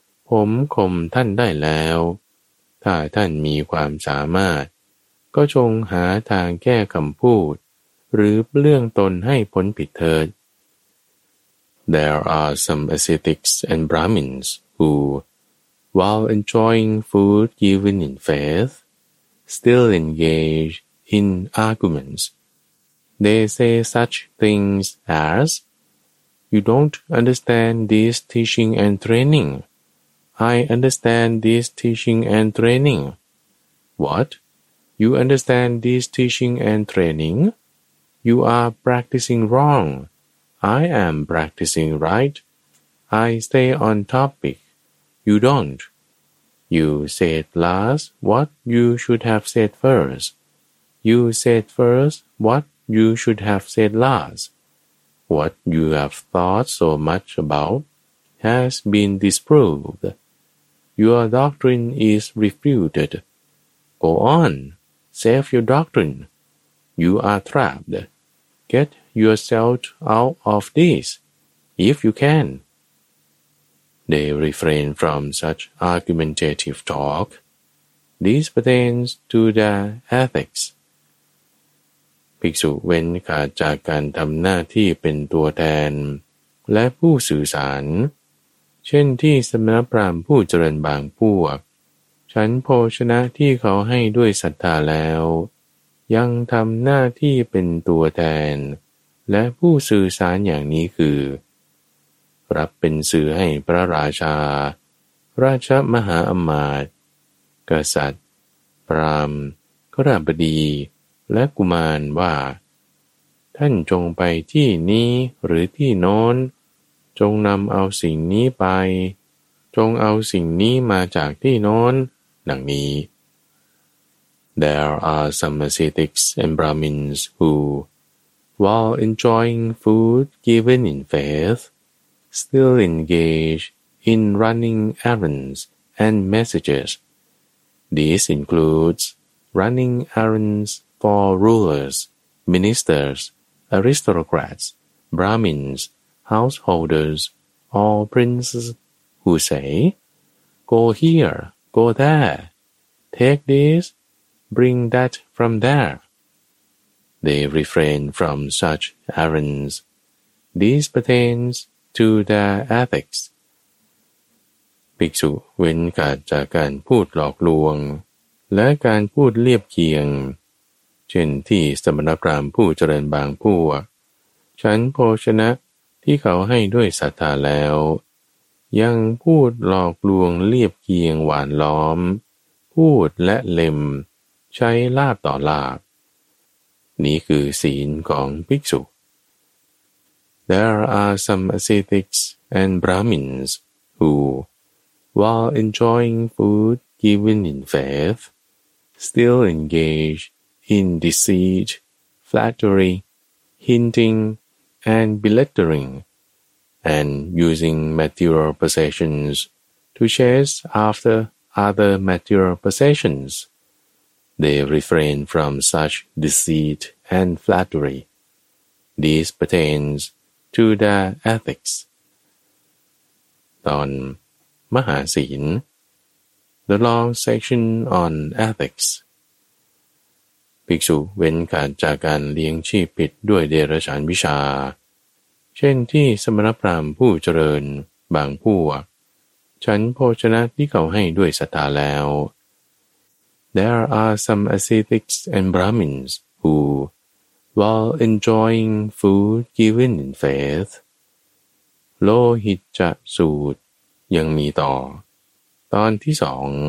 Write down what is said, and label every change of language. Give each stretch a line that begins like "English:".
Thai: ผมข่มท่านได้แล้วถ้าท่านมีความสามารถก็จงหาทางแก้คำพูดหรือเปลื้องตนให้พ้นผิดเถิด
English: There are some ascetics and Brahmins who, while enjoying food given in faith, still engageIn arguments, they say such things as, You don't understand this teaching and training. I understand this teaching and training. What? You understand this teaching and training? You are practicing wrong. I am practicing right. I stay on topic. You don't. You said last what you should have said first. You said first what you should have said last. What you have thought so much about has been disproved. Your doctrine is refuted. Go on, save your doctrine. You are trapped. Get yourself out of this, if you can. They refrain from such argumentative talk. This pertains to the ethics.
Thai: ภิกษุเว้นขาดจากการทำหน้าที่เป็นตัวแทนและผู้สื่อสารเช่นที่สมณพราหมณ์ผู้เจริญบางพวกฉันโภชนะที่เขาให้ด้วยศรัทธาแล้วยังทำหน้าที่เป็นตัวแทนและผู้สื่อสารอย่างนี้คือ รับเป็นสื่อให้พระราชาราชมหาอมาตย์กษัตริย์พราหมณ์ข้าราชบดีและกุมารว่า ท่านจงไปที่นี้หรือที่โน้นจงนำเอาสิ่งนี้ไปจงเอาสิ่งนี้มาจากที่โน้นดังนี้
English: There are some ascetics and Brahmins who, while enjoying food given in faithstill engage in running errands and messages. This includes running errands for rulers, ministers, aristocrats, Brahmins, householders, or princes who say, go here, go there, take this, bring that from there. They refrain from such errands. This pertainsto their ethics.
Thai: ภิกษุเว้นขาดจากการพูดหลอกลวงและการพูดเลียบเคียงเช่นที่สมณพราหมณ์ผู้เจริญบางพวกฉันโภชนะที่เขาให้ด้วยศรัทธาแล้ว ยังพูดหลอกลวงเลียบเคียงหวานล้อมพูดและเล่มใช้ลาภต่อลาภนี้คือศีลของภิกษุ
English: There are some ascetics and Brahmins who, while enjoying food given in faith, still engage in deceit, flattery, hinting, and belittling, and using material possessions to chase after other material possessions. They refrain from such deceit and flattery. This pertainsto the ethics.
Thai: ตอนมหาศีล
English: The long section on ethics.
Thai: ภิกษุเว้นการจากการเลี้ยงชีพผิดด้วยเดรัจฉานวิชาเช่นที่สมณพราหมณ์ผู้เจริญบางพวกฉันโภชนะที่เขาให้ด้วยศรัทธาแล้ว
English: There are some ascetics and Brahmins whoWhile enjoying food given in faith,
Thai: Lohicca สูตรยังมีต่อตอนที่สอง